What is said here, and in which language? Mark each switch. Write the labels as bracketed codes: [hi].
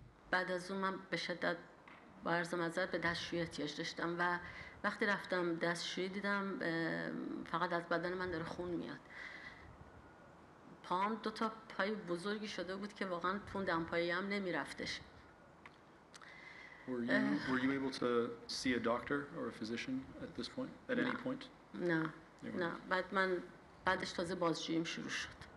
[fa] بعد از اون من به شدت با عرض معذرت به دستشویی احتیاج داشتم و وقتی رفتم دستشویی دیدم فقط از بدن من داره خون میاد. پاهم دو تا پای بزرگی شده بود که واقعا تون دمپایی هم نمیرفتش. [en] Were you able to see a doctor or a physician at this point, at any point? [fa] نه. بعد من بعدش تازه بازجوییم شروع شد.